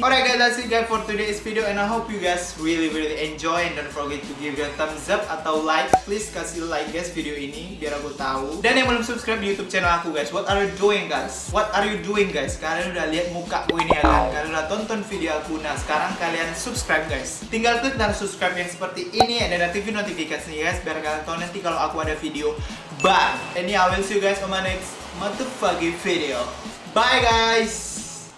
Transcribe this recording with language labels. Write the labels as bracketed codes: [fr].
[en] Alright guys, that's it guys for today's video. And I hope you guys really really enjoy. And don't forget to give a thumbs up atau like. [id] Please kasih like guys video ini biar aku tahu. Dan yang belum subscribe di YouTube channel aku guys, [en] what are you doing guys? What are you doing guys? [id] Kalian udah lihat muka aku ini ya kan? Kalian udah tonton video aku. Nah sekarang kalian subscribe guys. Tinggal klik dan subscribe yang seperti ini. And then aktifin notifikasinya guys, biar kalian tahu nanti kalau aku ada video. [en] Bye. And yeah, I will see you guys on my next motherfucking video. Bye guys.